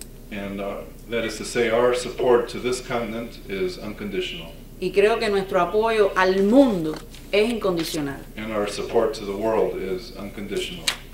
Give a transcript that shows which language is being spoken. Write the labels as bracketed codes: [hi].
[en] And that is to say, our support to this continent is unconditional. [es] Y creo que nuestro apoyo al mundo es incondicional. [en] And our support to the world is unconditional.